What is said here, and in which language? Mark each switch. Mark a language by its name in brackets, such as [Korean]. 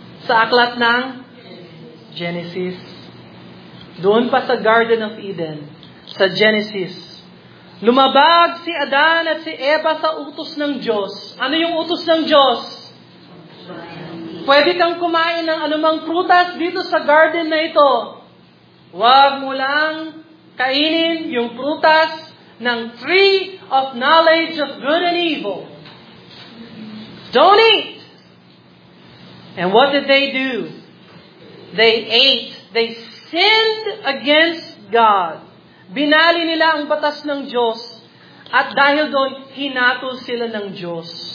[Filipino] Sa aklat ng Genesis. Doon pa sa Garden of Eden, sa Genesis. Lumabag si Adan at si Eva sa utos ng Diyos. Ano yung utos ng Diyos? Pwede kang kumain ng anumang prutas dito sa garden na ito. Huwag mo lang kainin yung prutas ng [English] tree of knowledge of good and evil. Don't eat And what did they do? They ate. They sinned against God. [Filipino] Binali nila ang batas ng Diyos. At dahil doon, hinato sila ng Diyos.